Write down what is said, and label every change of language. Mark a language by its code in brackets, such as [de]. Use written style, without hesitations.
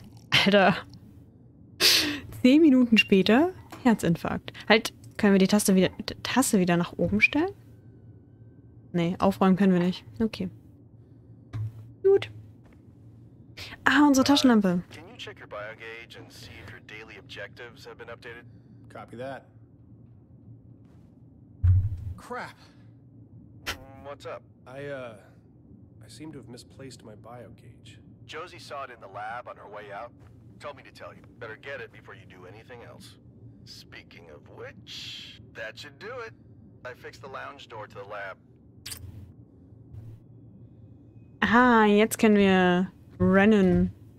[de] Alter. 10 Minuten später, Herzinfarkt. Halt, können wir die Tasse wieder nach oben stellen? Nee, aufräumen können wir nicht. Okay. Gut. Ah, unsere Taschenlampe. [en] Can you check your bio gauge and see if your daily objectives have been updated? Copy that. Crap. What's up? I seem to have misplaced my bio gauge. Josie saw it in the lab on her way out. Told me to tell you. Better get it before you do anything else. Speaking of which, that should do it. I fixed the lounge door to the lab. [de] Aha, jetzt können wir rennen.